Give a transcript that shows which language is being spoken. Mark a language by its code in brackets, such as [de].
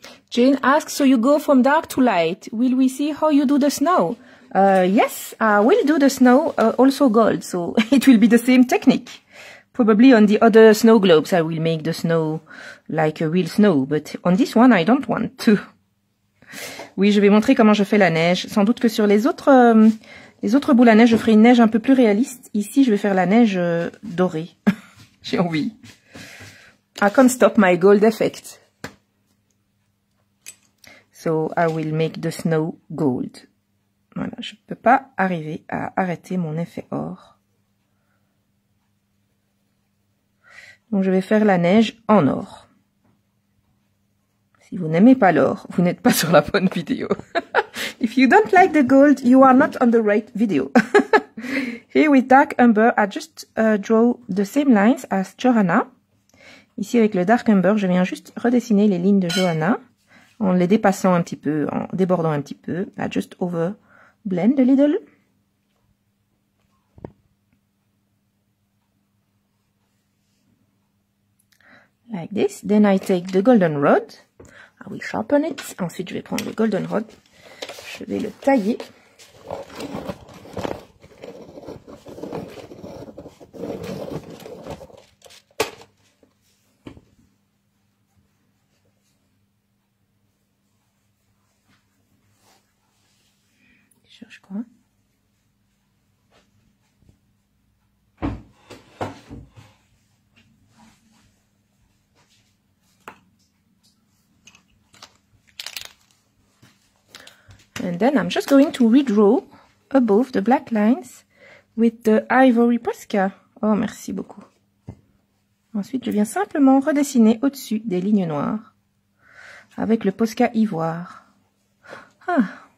[en] Jane asks, so you go from dark to light. Will we see how you do the snow? Yes, I will do the snow also gold. So it will be the same technique. Probably on the other snow globes I will make the snow like a real snow, but on this one I don't want to. [fr] Oui, je vais montrer comment je fais la neige. Sans doute que sur les autres boules à neige, je ferai une neige un peu plus réaliste. Ici, je vais faire la neige dorée. J'ai envie. [en] I can't stop my gold effect. So I will make the snow gold. [fr] Voilà, je ne peux pas arriver à arrêter mon effet or. Donc je vais faire la neige en or. Si vous n'aimez pas l'or, vous n'êtes pas sur la bonne vidéo. [en] If you don't like the gold, you are not on the right video. Here with dark umber, I just draw the same lines as Johanna. [fr] Ici avec le dark umber, je viens juste redessiner les lignes de Johanna en les dépassant un petit peu, en débordant un petit peu. [en] I just over blend a little. Like this. Then I take the golden rod. I will sharpen it. [fr] Ensuite, je vais prendre le golden rod. Je vais le tailler. Je cherche quoi? [en] And then I'm just going to redraw above the black lines with the ivory Posca. [fr] Oh, merci beaucoup. Ensuite, je viens simplement redessiner au-dessus des lignes noires avec le Posca ivoire. Ah.